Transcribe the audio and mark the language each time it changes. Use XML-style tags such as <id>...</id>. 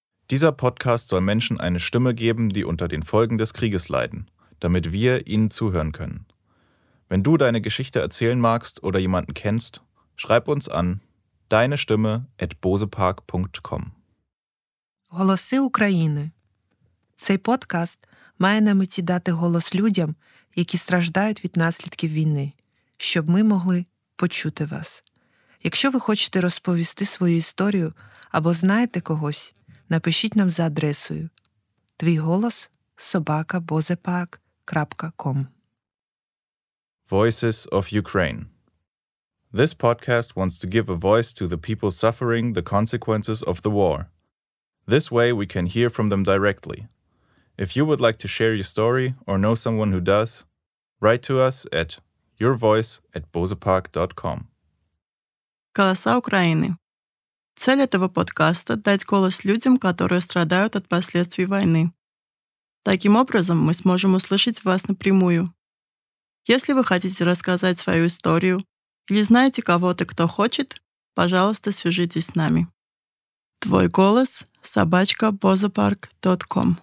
<de>Dieser Podcast soll Menschen eine Stimme geben, die unter den Folgen des Krieges leiden, damit wir ihnen zuhören können. Wenn du deine Geschichte erzählen magst oder jemanden kennst, schreib uns an deinestimme@bosepark.com.</de> <uk>Голоси України. Цей подкаст має на меті дати голос людям, які страждають від наслідків війни, щоб ми могли почути вас. Якщо ви хочете розповісти свою історію або знаєте когось, напишіть нам за адресою twigolos@bozepark.com.</uk> <en>Voices of Ukraine. This podcast wants to give a voice to the people suffering the consequences of the war. This way we can hear from them directly. If you would like to share your story or know someone who does, write to us at yourvoice@bozepark.com.</en> <ru>Голоса України. Цель этого подкаста – дать голос людям, которые страдают от последствий войны. Таким образом, мы сможем услышать вас напрямую. Если вы хотите рассказать свою историю или знаете кого-то, кто хочет, пожалуйста, свяжитесь с нами. Твой голос – @bozepark.com.</ru>